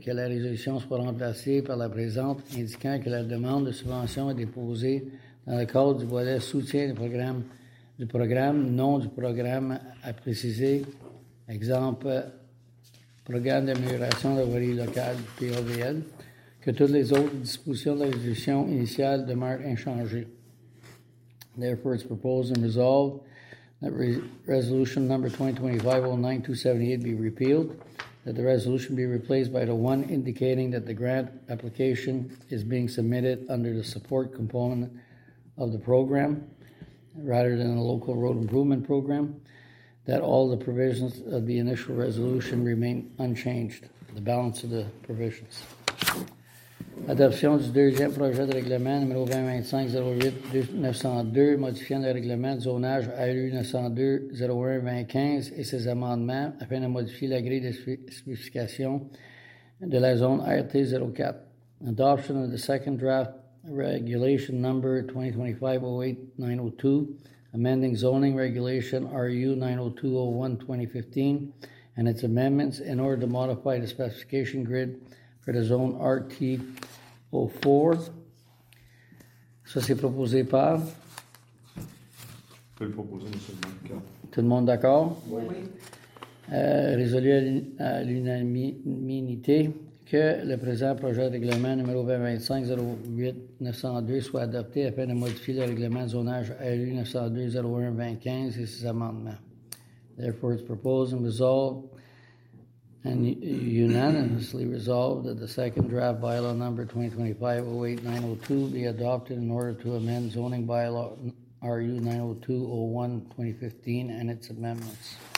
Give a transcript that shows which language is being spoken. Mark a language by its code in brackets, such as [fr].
[fr] Que la résolution soit remplacée par la présente, indiquant que la demande de subvention est déposée dans le cadre du volet soutien du programme, nom du programme à préciser. Exemple, programme d'amélioration de la voirie locale du POVL. Que toutes les autres dispositions de la résolution initiale demeurent inchangées. [en] Therefore, it's proposed and resolved that resolution number 2025-09-278 be repealed, that the resolution be replaced by the one indicating that the grant application is being submitted under the support component of the program rather than the local road improvement program, that all the provisions of the initial resolution remain unchanged, the balance of the provisions. [fr] Adoption du deuxième projet de règlement numéro 2025-08-902, modifiant le règlement de zonage ALU-902-01-2015 et ses amendements afin de modifier la grille de spécification de la zone RT-04. [en] Adoption of the second draft regulation number 2025-08-902, amending zoning regulation RU-902-01-2015 and its amendments in order to modify the specification grid for the zone RT-04. [fr] Ça, c'est proposé par? Je peux le proposer, M. le maire. Tout le monde d'accord? Oui. Résolu à l'unanimité que le présent projet de règlement numéro 2025-08-902 soit adopté afin de modifier le règlement de zonage ALU-902-01-2015 et ses amendements. [en] Therefore, it's proposed and resolved and unanimously resolved that the second draft bylaw number 2025-08-902 be adopted in order to amend zoning bylaw RU-902-01-2015 and its amendments.